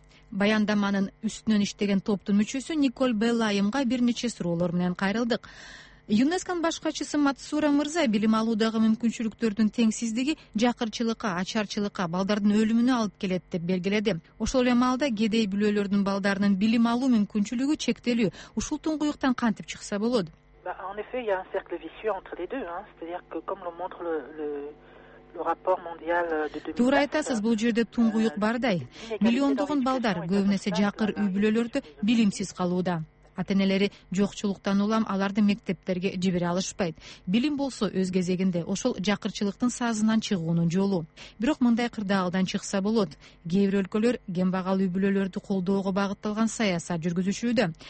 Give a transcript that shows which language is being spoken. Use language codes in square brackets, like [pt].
[ky] Баяндаманын үстүнөн иштеген топтун мүчөсү Николь Беллайымга бир нече суроолор менен кайрылдык. ЮНЕСКОнун башкачысы Матсура Мырза билим алуудагы мүмкүнчүлүктөрдүн теңсиздиги жакырчылыкка, ачарчылыкка, балдардын өлүмүнө алып келет деп белгиледи. Ошол эле маалда кедей бүлөлөрдүн балдарынын билим алуу мүмкүнчүлүгү чектелүү. Ушул туңгуюктан кантип чыкса болот? [fr] En effet, il y a un cercle vicieux entre les deux, c'est-à-dire que comme le montre le rapport mondial de 2000. [ky] Туура айтасыз, бул жерде туңгуюк бардай. Миллиондогон балдар көбүнесе жакыр үй бүлөлөрдө билимсиз калууда. Ата-энелери жокчулуктан улам аларды мектептерге жибере алышпайт. Билим болсо өз кезегинде ошол жакырчылыктын сазынан чыгуунун жолу. Бирок мындай кырдаалдан чыкса болот. Кээ бир өлкөлөр кембагал үй бүлөлөрдү колдоого багытталган саясат жүргүзүшүүдө.